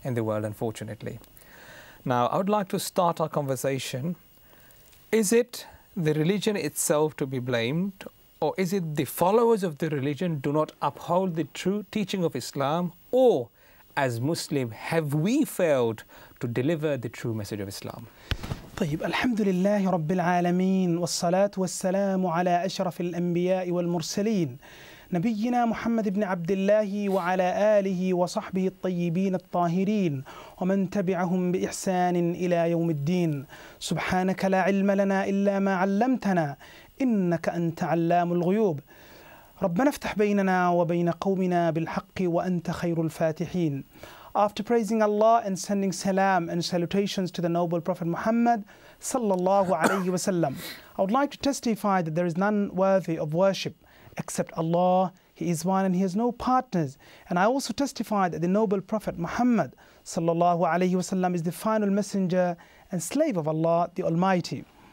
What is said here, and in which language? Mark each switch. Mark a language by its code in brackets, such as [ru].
[en] In the world, unfortunately. Now, I would like to start our conversation. Is it the religion itself to be blamed, or is it the followers of the religion do not uphold the true teaching of Islam, or as Muslim, have we failed to deliver the true message of Islam? [ar] طيب الحمد لله رب العالمين والصلاة والسلام على أشرف الأنبياء والمرسلين نبينا محمد بن عبد الله وعلى آله وصحبه الطيبين الطاهرين ومن تبعهم بإحسان إلى يوم الدين سبحانك لا علم لنا إلا ما علمتنا إنك أنت علام الغيوب ربنا افتح بيننا وبين قومنا بالحق وأنت خير الفاتحين. [en] After praising Allah and sending salam and salutations to the noble Prophet Muhammad sallallahu alayhi wa sallam, I would like to testify that there is none worthy of worship except Allah. He is one and he has no partners. And I also testify that the noble Prophet Muhammad sallallahu alayhi wa sallam is the final messenger and slave of Allah the Almighty.